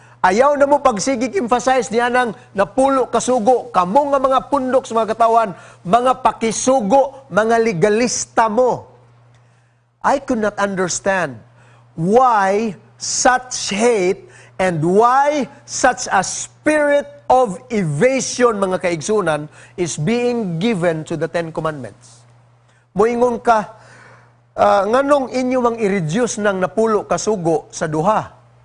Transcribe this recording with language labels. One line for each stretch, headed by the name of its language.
Cebuano: Ayaw na mo pagsigig emphasize niya ng napulo kasugo. Kamu nga mga pundok sa mga katawan, mga pakisugo, mga legalista mo.
English: I could not understand why such hate and why such a spirit of evasion, mga kaigsunan, is being given to the Ten Commandments.
Cebuano: Muingon ka, nganong inyo mang i-reduce ng napulo kasugo sa duha?